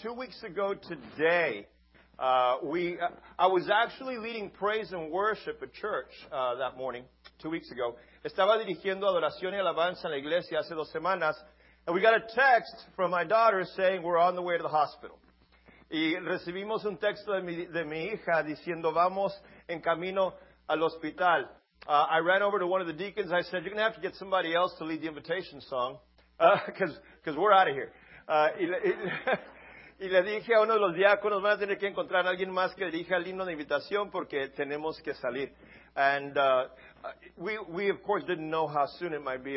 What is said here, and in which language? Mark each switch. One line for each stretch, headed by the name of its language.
English: 2 weeks ago today, I was actually leading praise and worship at church that morning, 2 weeks ago.
Spanish: Estaba dirigiendo adoración y alabanza en la iglesia hace dos semanas.
English: And we got a text from my daughter saying we're on the way to the hospital.
Spanish: Y recibimos un texto de mi hija diciendo, vamos en camino al hospital.
English: I ran over to one of the deacons. I said, you're going to have to get somebody else to lead the invitation song because we're out of here.
Spanish: Y le dije a uno de los diáconos, van a tener que encontrar a alguien más que dirija el himno de invitación porque tenemos que salir.
English: And we of course, didn't know how soon it might be.